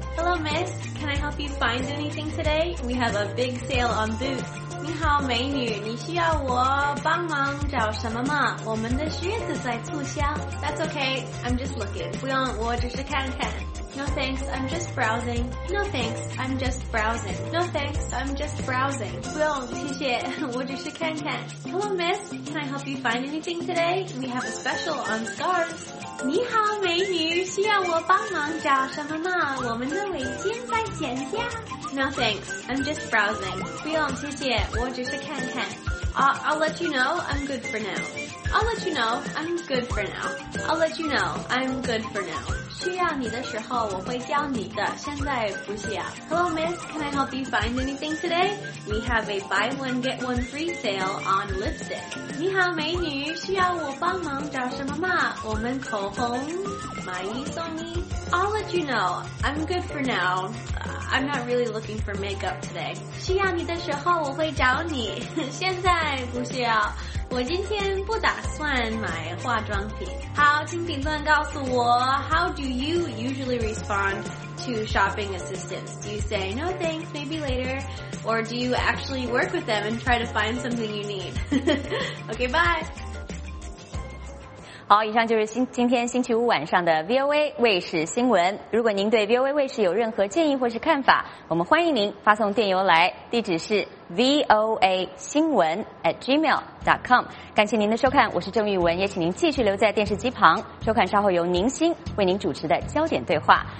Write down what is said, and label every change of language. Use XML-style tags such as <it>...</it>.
<en>Hello miss, can I help you find anything today? We have a big sale on boots.</en> <zh>你好美女，你需要我帮忙找什么吗？我们的靴子在促销。</zh> <en>That's okay, I'm just looking.</en> <zh>不用，我只是看看。</zh> <en>No thanks, I'm just browsing.</en> <zh>不用，谢谢，我只是看看。</zh> <en>Hello miss, can I help you find anything today? We have a special on scarves.</en> <zh>你好美女，需要我帮忙找什么吗？我们的围巾在减价。</zh> <en>No thanks, I'm just browsing.</en> <zh>不用，谢谢，我只是看看。</zh> <en>I'll let you know, I'm good for now.</en> <zh>需要你的时候我会教你的，现在不需要。</zh> <en>Hello miss, can I help you find anything today? We have a buy one get one free sale on lipstick.</en> <zh>你好美女，需要我帮忙找什么吗？我们口红买一送一。</zh> <en>I'll let you know, I'm good for now. I'm not really looking for makeup today.</en> <zh>需要你的时候我会找你，现在不需要。我今天不打算买化妆品。好，请评论告诉我</zh> <en>，How do you usually respond to shopping assistants? Do you say no thanks, maybe later, or do you actually work with them and try to find something you need? Okay, bye.</en> <zh>好，以上就是今天星期五晚上的 VOA 卫视新闻。如果您对 VOA 卫视有任何建议或是看法，我们欢迎您发送电邮来，地址是 voa.gmail.com。感谢您的收看，我是郑玉文，也请您继续留在电视机旁收看稍后由宁馨为您主持的焦点对话。</zh>